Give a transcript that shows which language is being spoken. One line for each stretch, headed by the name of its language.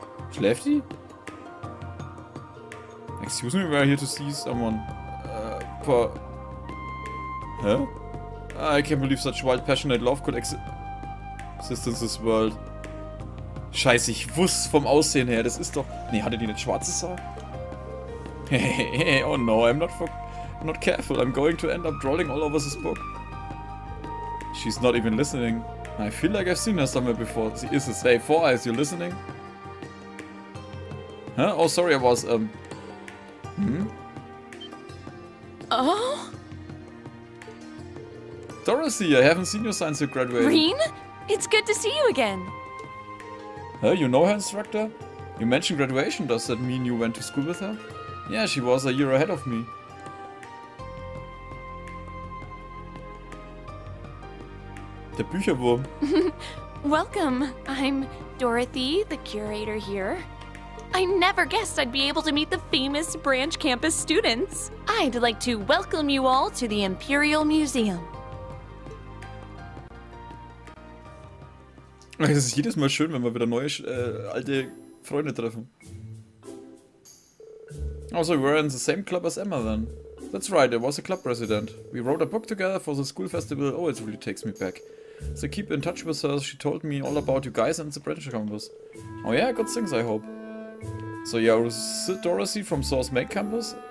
German: Schläft die?
English: Excuse me, we're here to see someone. Huh? I can't believe such wild passionate love could exist in this world.
German: Scheiße, ich wusste vom Aussehen her, das ist doch... Nee, hatte die nicht schwarzes Haar?
English: Hey, oh no, I'm not careful, I'm going to end up drawing all over this book. She's not even listening. I feel like I've seen her somewhere before. She is a safe. Hey, Four Eyes, you're listening? Huh? Oh, sorry, I was, Oh? Dorothy, I haven't seen you since you graduated. Reen? It's good to see you again. Huh, you know her instructor? You mentioned graduation, does that mean you went to school with her? Yeah, she was a year ahead of me.
German: Der Bücherwurm.
English: Welcome, I'm Dorothy, the curator here. I never guessed I'd be able to meet the famous branch campus students. I'd like to welcome you all to the Imperial Museum.
German: Es ist jedes Mal schön, wenn wir wieder neue, alte Freunde treffen.
English: Also, we were in the same club as Emma then. That's right, I was a club president. We wrote a book together for the school festival. Oh, it really takes me back. So keep in touch with her, she told me all about you guys and the branch campus. Oh yeah, good things, I hope. So yeah, is it Dorothy from Source Make Campus?